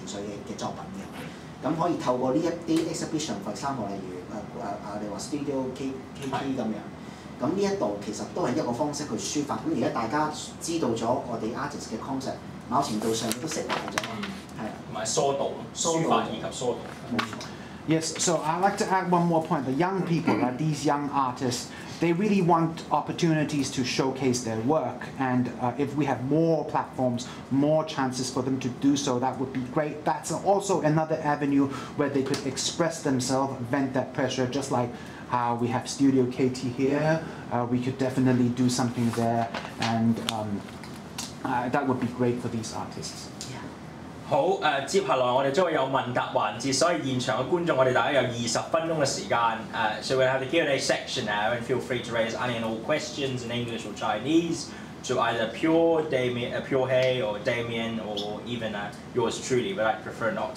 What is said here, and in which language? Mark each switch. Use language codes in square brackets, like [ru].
[zh] 我覺得現在的年輕人，尤其是年輕的插畫師，他們很多時候都很想希望有一個發表作品的機會，或者一個渠道。其實我覺得，如果你說香港在香港找多些這方面的東西給他們，其實對他們來說都是一種抒發，將他們的創作之中有些是抒發到他們的情緒的作品。可以透過這些 exhibition，例如Studio KK，這一道其實都是一個方式去抒發，現在大家知道了我們 artist 的 concept， 某程度上都釋懷了，是的，還有疏導，抒發以及疏導。 [en] Yes, so I'd like to add one more point. The young people, like these young artists, they really want opportunities to showcase their work. And if we have more platforms, more chances for them to do so, that would be great. That's also another avenue where they could express themselves, vent that pressure, just like how we have Studio KT here. We could definitely do something there. And that would be great for these artists. [zh] 好，接下來我哋將會有問答環節， 所以現場的觀眾我哋大概有20分鐘的時間。 [en] So we have the Q&A section now, and feel free to raise any and all questions in English or Chinese to either Pure, Damien, Pure Hay, or Damien, or even yours truly, but I prefer not.